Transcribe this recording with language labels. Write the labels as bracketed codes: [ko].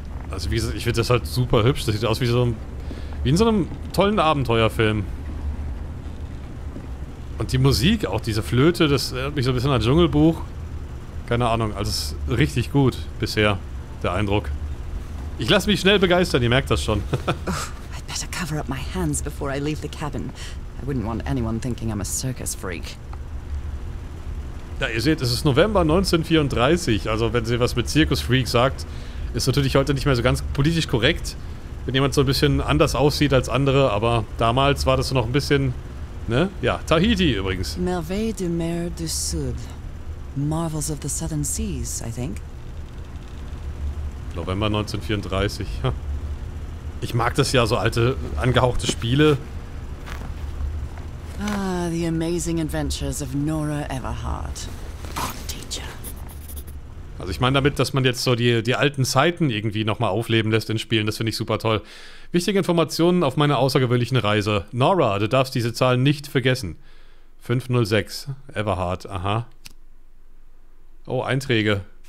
[de] Also wie gesagt, ich finde das halt super hübsch. Das sieht aus wie so ein, wie in so einem tollen Abenteuerfilm. Und die Musik, auch diese Flöte, das erinnert mich so ein bisschen an Dschungelbuch. Keine Ahnung, also ist richtig gut bisher, der Eindruck. Ich lasse mich schnell begeistern, ihr merkt das schon. [en] Oh, I'd better cover up my hands before I leave the cabin. I wouldn't want anyone thinking I'm a circus freak. [de] Ja, ihr seht, es ist November 1934. Also wenn sie was mit Zirkusfreak sagt, ist natürlich heute nicht mehr so ganz politisch korrekt, wenn jemand so ein bisschen anders aussieht als andere. Aber damals war das noch ein bisschen, ne? Ja, Tahiti übrigens. [fr] Merveille du Mer du Sud. [en] Marvels of the Southern Seas, I think. [de] November 1934. Ich mag das ja, so alte, angehauchte Spiele. [en] Ah, the amazing adventures of Nora Everhart, art teacher. [de] Also ich meine damit, dass man jetzt so die alten Zeiten irgendwie nochmal aufleben lässt in Spielen. Das finde ich super toll. Wichtige Informationen auf meiner außergewöhnlichen Reise. Nora, du darfst diese Zahl nicht vergessen. 506, Everhart, aha. Oh, Einträge.